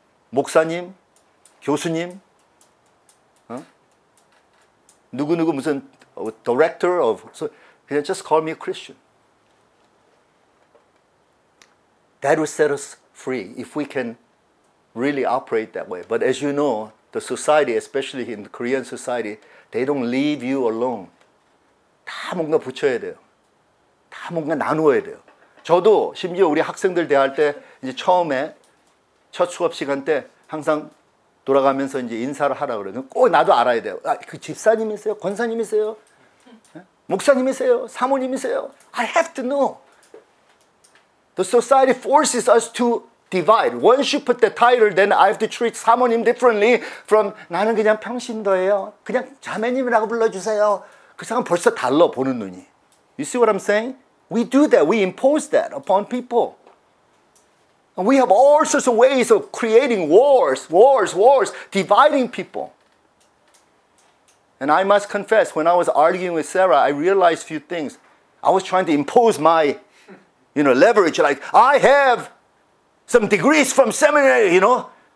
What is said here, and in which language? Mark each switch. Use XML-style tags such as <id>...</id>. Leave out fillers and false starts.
<ko>목사님, 교수님, 누구누구 무슨</ko> <en>director of, so can you just call me a Christian? That would set us free if we can really operate that way. But as you know, the society, especially in the Korean society, they don't leave you alone.</en> <ko>다 뭔가 붙여야 돼요. 다 뭔가 나누어야 돼요. 저도 심지어 우리 학생들 대할 때 이제 처음에 첫 수업 시간 때 항상 돌아가면서 이제 인사를 하라 그래요. 꼭 나도 알아야 돼요. 아, 그 집사님이세요? 권사님이세요? 목사님이세요? 사모님이세요?</ko> <en>I have to know. The society forces us to divide. Once you put the title, then I have to treat 사모님 differently from</en> <ko>나는 그냥 평신도예요. 그냥 자매님이라고 불러주세요. 그 사람 벌써 달라 보는 눈이.</ko> <en>You see what I'm saying? We do that. We impose that upon people. And we have all sorts of ways of creating wars, dividing people. And I must confess, when I was arguing with Sarah, I realized a few things. I was trying to impose my, you know, leverage. Like, I have some degrees from seminary, you know.</en>